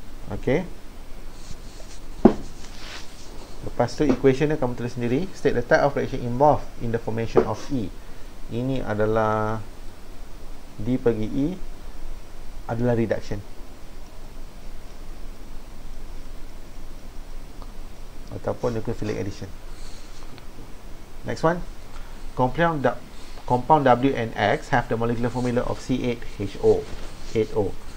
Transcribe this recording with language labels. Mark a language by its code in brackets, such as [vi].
[ms] Okay, lepas tu equation ni kamu tulis sendiri. [en] State the type of reaction involved in the formation of E. [ms] Ini adalah D pergi E adalah reduction ataupun nucleophilic addition. [en] Next one, compound W and X have the molecular formula of C8H8O.